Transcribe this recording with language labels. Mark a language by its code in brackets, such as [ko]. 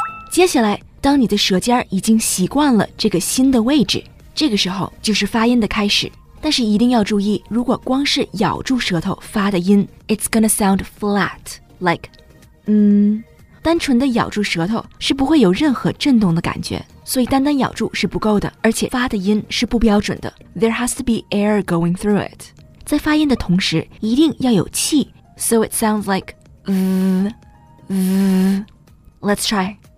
[zh] 接下来，当你的舌尖已经习惯了这个新的位置，这个时候就是发音的开始。但是一定要注意，如果光是咬住舌头发的音 [en] ，it's gonna sound flat, like, [zh] 单纯的咬住舌头是不会有任何震动的感觉，所以单单咬住是不够的，而且发的音是不标准的。 [en] There has to be air going through it. [zh] 在发音的同时一定要有气。 [en] So it sounds like Let's try.